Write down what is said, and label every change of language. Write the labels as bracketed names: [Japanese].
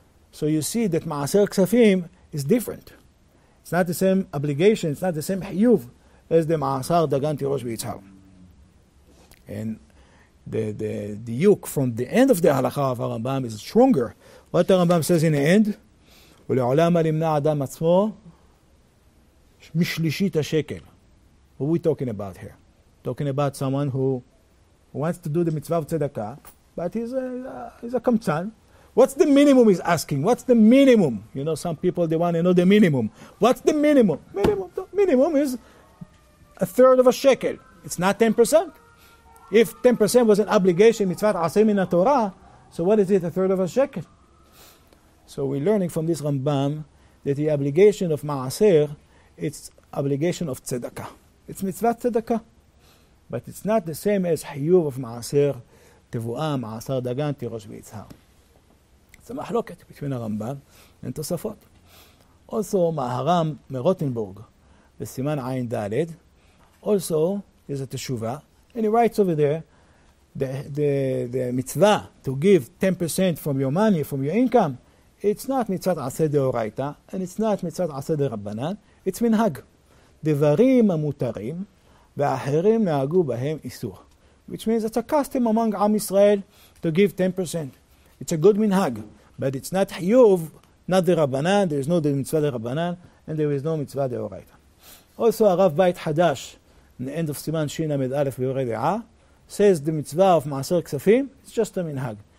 [English] So you see that ma'aser ksafim is different. It's not the same obligation. It's not the same hayuv as the ma'asar dagan tirosh v'yitzhar. And the yuk from the end of the halakha of Rambam is stronger. What the Rambam says in the end, [Hebrew] ולעולם הלמנע אדם עצמו משלישית השקל. [English] What are we talking about here? Talking about someone who wants to do the mitzvah of tzedakah, but he's a kamtzan. What's the minimum he's asking? What's the minimum? You know, some people, they want to know the minimum. What's the minimum? Minimum is a third of a shekel. It's not 10%. If 10% was an obligation, mitzvah asem in the Torah, so what is it, a third of a shekel? So we're learning from this Rambam that the obligation of ma'aser, it's obligation of tzedakah. It's mitzvah tzedakah. But it's not the same as hayuv of ma'aser, tevu'ah, ma'aser dagan, tirosh v'yitzhar. It's a mahloket between Rambam and Tosafot. Also, Maharam Merotenburg, the Siman Ayin Dalet, also is a teshuva, and he writes over there, the mitzvah to give 10% from your money, from your income, it's not mitzvat aseh deoraita, and it's not mitzvat aseh derabbanan, it's minhag. [Hebrew] Devarim amutarim, ואחרים נהגו בהם איסור. [English] Which means it's a custom among Am Israel to give 10%. It's a good minhag, but it's not hayuv, not the Rabbanan, there is no the mitzvah the Rabbanan, and there is no mitzvah the Oraita. Also, Rav Bait Hadash, in the end of Siman Shin Amid Aleph Biore Dea, says the mitzvah of Maaser Ksafim, it's just a minhag.